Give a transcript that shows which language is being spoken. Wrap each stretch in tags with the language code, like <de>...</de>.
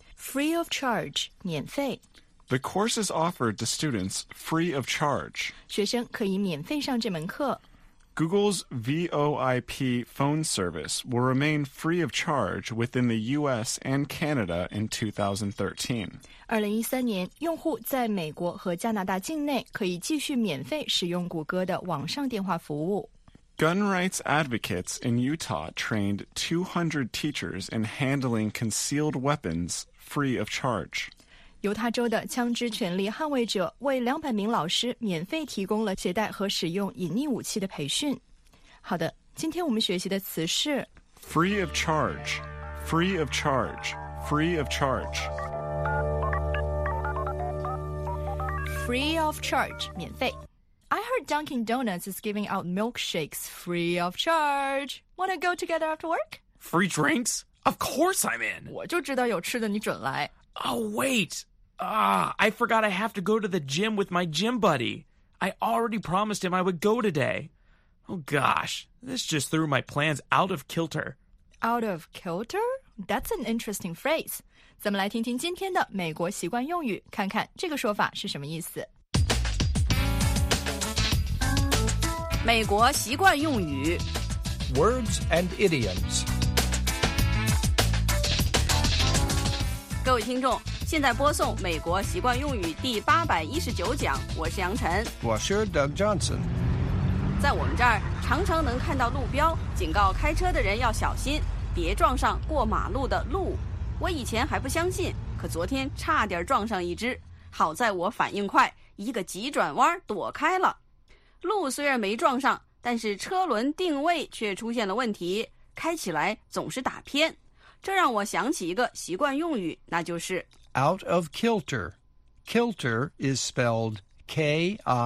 <en>Free of charge,</en> <zh>免费。</zh> <en>The course is offered to students free of charge.</en> <zh>学生可以免费上这门课。</zh> <en>Google's VoIP phone service will remain free of charge within the U.S. and Canada in 2013.</en> <zh>2013年，用户在美国和加拿大境内可以继续免费使用谷歌的网上电话服务。</zh> <en>Gun rights advocates in Utah trained 200 teachers in handling concealed weapons free of charge.</en> <zh>犹他州的枪支权利捍卫者为200名老师免费提供了携带和使用隐匿武器的培训。好的，今天我们学习的词是</zh> <en>free of charge, free of charge, free of charge. Free of charge,</en> <zh>免费。</zh> <en>I heard Dunkin' Donuts is giving out milkshakes free of charge. Want to go together after work? Free drinks? Of course I'm in.</en> <zh>我就知道有吃的你准来。</zh> <en>Oh, wait. I forgot I have to go to the gym with my gym buddy. I already promised him I would go today. Oh, gosh. This just threw my plans out of kilter. Out of kilter? That's an interesting phrase.</en> <zh>咱们来听听今天的美国习惯用语，看看这个说法是什么意思。美国习惯用语</zh> <en>Words and idioms.</en> <zh>各位听众，现在播送美国习惯用语第819讲，我是杨晨，我是 Doug Johnson。在我们这儿常常能看到路标警告开车的人要小心，别撞上过马路的鹿。我以前还不相信，可昨天差点撞上一只，好在我反应快，一个急转弯躲开了。路虽然没撞上，但是车轮定位却出现了问题，开起来总是打偏。这让我想起一个习惯用语，那就是</zh> <en>out of kilter. Kilter is spelled K-I-L-T-E-R.</en>